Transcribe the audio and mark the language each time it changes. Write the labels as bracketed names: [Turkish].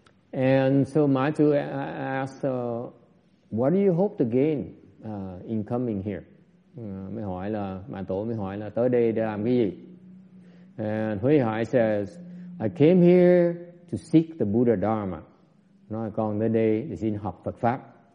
[English] And so Matthew asked, what do you hope to gain in coming here? [Vietnamese] Mới hỏi là mà tổ mới hỏi là tới đây để làm cái gì? [English] And Huệ Hải says, I came here to seek the Buddha Dharma. [Vietnamese] Nói con tới đây để xin học Phật pháp.